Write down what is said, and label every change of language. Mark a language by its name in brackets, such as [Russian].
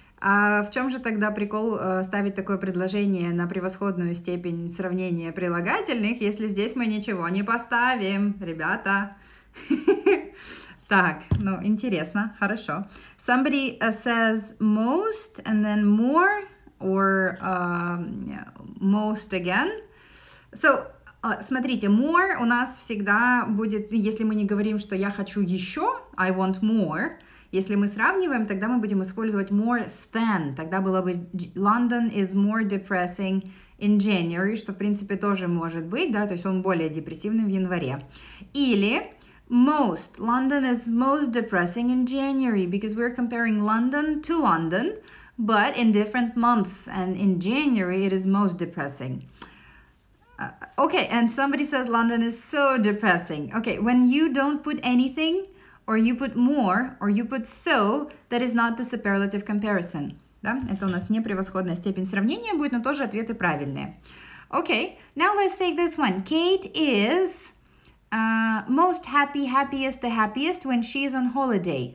[Russian] А в чем же тогда прикол ставить такое предложение на превосходную степень сравнения прилагательных, если здесь мы ничего не поставим, ребята? Так, ну, интересно, хорошо. [English] Somebody says most and then more or most again. [Russian] So, смотрите, more у нас всегда будет, если мы не говорим, что я хочу еще, [English] I want more. [Russian] Если мы сравниваем, тогда мы будем использовать more than. Тогда было бы [English] London is more depressing in January, [Russian] что, в принципе, тоже может быть, да, то есть он более депрессивный в январе. Или most. [English] London is most depressing in January because we're comparing London to London, but in different months, and in January it is most depressing. Okay, and somebody says London is so depressing. Okay, when you don't put anything, or you put more, or you put so, that is not the superlative comparison. [Russian] Да, это у нас не превосходная степень сравнения будет, но тоже ответы правильные. [English] Okay, now let's take this one. Kate is most happy, happiest, the happiest when she is on holiday.